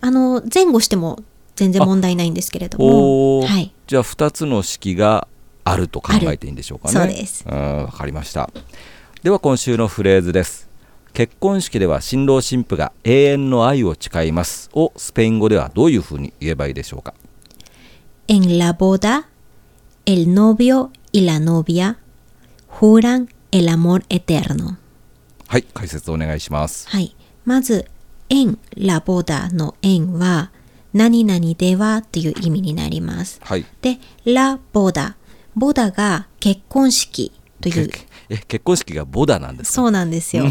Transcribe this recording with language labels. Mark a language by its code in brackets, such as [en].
[ja] 前後しても全然問題ないんですけれども、はい、じゃあ2つの式があると考えていいんでしょうかね。そうです。わかりました。では今週のフレーズです。結婚式では新郎新婦が永遠の愛を誓いますをスペイン語ではどういうふうに言えばいいでしょうか。 [es] En la boda, el novio y la novia juran el amor eterno。 [ja] はい、解説お願いします。はい、まず [es] En la boda [ja] の En は何々ではという意味になります。はい、で [es] La boda、 [ja] ボダが結婚式という結婚式がボダなんですか。そうなんですよ。